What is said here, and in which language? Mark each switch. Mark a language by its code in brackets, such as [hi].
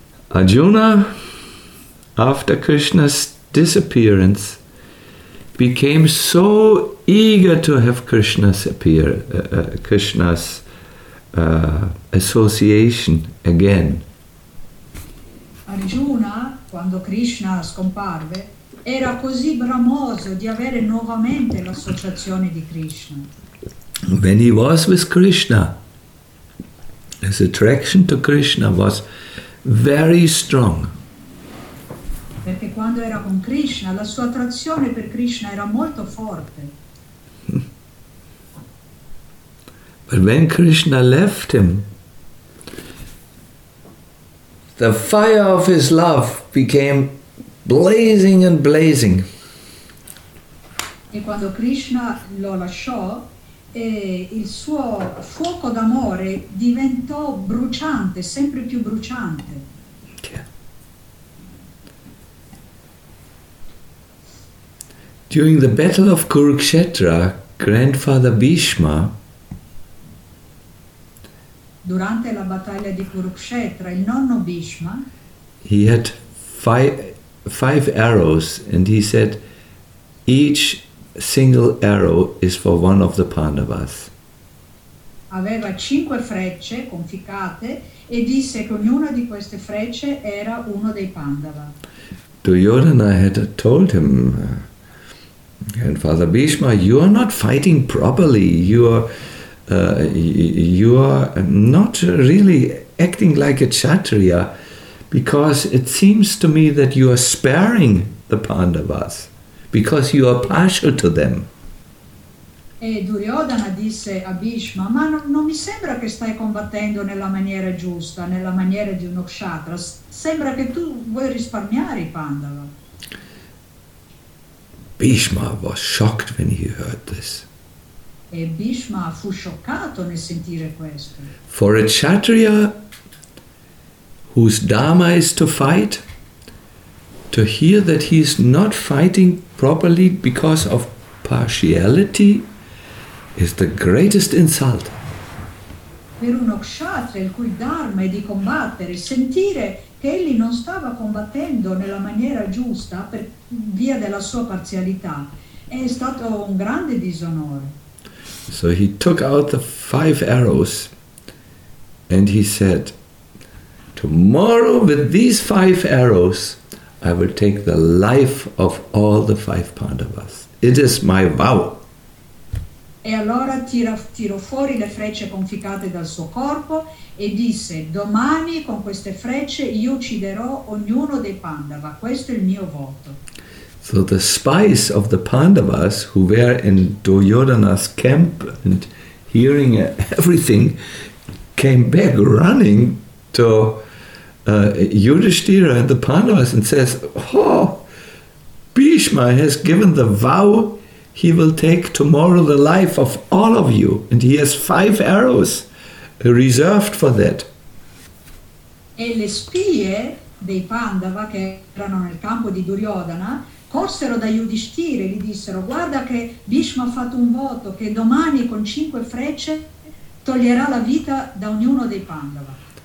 [en] Arjuna, after Krishna's disappearance, became so eager to have Krishna's appear, Krishna's association again. [it] Arjuna, quando Krishna scomparve, era così bramoso di avere nuovamente l'associazione di Krishna. [en] When he was with Krishna, his attraction to Krishna was very strong. [it] Perché quando era con Krishna, la sua attrazione per Krishna era molto forte. [en] But when Krishna left him, the fire of his love became blazing and blazing. [it] E quando Krishna lo lasciò, il suo fuoco d'amore diventò bruciante, sempre più bruciante. [en] During the battle of Kurukshetra, grandfather Bhishma, [it] durante la battaglia di Kurukshetra, il nonno Bhishma, [en] he had five arrows, and he said, each single arrow is for one of the Pandavas. [it] Aveva cinque frecce conficcate e disse che ognuna di queste frecce era uno dei Pandava. [en] Duryodhana had told him, and Father Bhishma, you are not fighting properly. You are not really acting like a Kshatriya, because it seems to me that you are sparing the Pandavas, because you are partial to them. [it] E Duryodhana disse a Bhishma, ma non mi sembra che stai combattendo nella maniera giusta, nella maniera di uno Kshatriya. Sembra che tu vuoi risparmiare i Pandava. [en] Bhishma was shocked when he heard this. [it] E Bhishma fu scioccato nel sentire questo. [en] For a Kshatriya whose dharma is to fight, to hear that he is not fighting properly because of partiality is the greatest insult. [it] Per uno Kshatriya il cui dharma è di combattere, sentire che egli non stava combattendo nella maniera giusta per via della sua parzialità, è stato un grande disonore. [en] So he took out the five arrows and he said, tomorrow with these five arrows I will take the life of all the five Pandavas. It is my vow. [it] E allora tirò fuori le frecce conficcate dal suo corpo e disse, domani con queste frecce io ucciderò ognuno dei Pandava, questo è il mio voto. [en] So the spies of the Pandavas who were in Duryodhana's camp and hearing everything came back running to Yudhishthira and the Pandavas and says, oh, Bhishma has given the vow. He will take tomorrow the life of all of you, and he has five arrows reserved for that. [it] E le spie dei Pandava che erano nel campo di Duryodhana corsero da Yudhishthira e gli dissero, guarda che Bhishma ha fatto un voto che domani con cinque frecce toglierà la vita da ognuno dei Pandava.